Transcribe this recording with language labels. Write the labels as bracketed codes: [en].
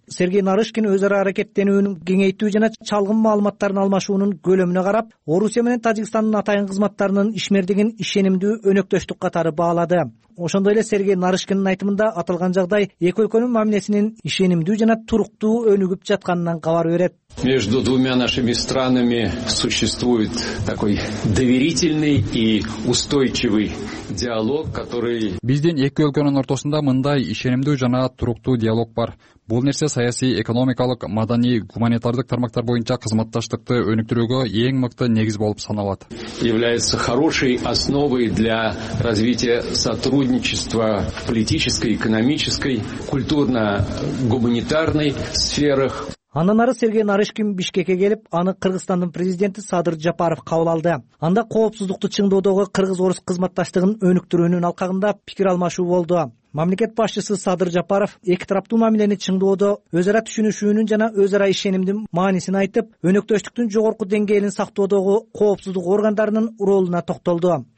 [ky] Сергей Нарышкин өз ара аракеттенүүнүн кеңейтүү жана чалгын маалыматтарын алмашуунун көлөмүнө карап, Орусия менен Тажикстандын атайын кызматтарынын ишмердигин ишенимдүү өнөктөштүк катары баалады. Ошондой эле Сергей Нарышкиндин айтымында аталган жагдай эки өлкөнүн мамилесинин ишенимдүү жана туруктуу өнүгүп жатканынан кабар берет. [ru] Между двумя нашими странами существует такой доверительный и устойчивый диалог, который [ky] Биздин эки өлкөнүн ортосунда мындай ишенимдүү жана туруктуу диалог бар. Бул нерсе саясий, экономикалык, маданий, гуманитардык тармактар боюнча кызматташтыкты өнүктүрүүгө эң мыкты негиз болуп саналат. [ru] Является хорошей основой для развития сотрудничества в политической, экономической, культурно-гуманитарной сферах. [ky] Андан ары Сергей Нарышкин Бишкекке келип, аны Кыргызстандын президенти Садыр Жапаров кабыл алды. Анда коопсуздукту чыңдоодогу кыргыз-орус кызматташтыгын өнүктүрүүнүн алкагында пикир алмашуу болду. Мамлекет башчысы Садыр Жапаров эки тараптуу мамилени чыңдоодо өз ара түшүнүшүүнүн жана өз ара ишенимдин маанисин айтып, өнөктөштүктүн жогорку деңгээлин сактоодогу коопсуздук органдарынын ролуна токтолду.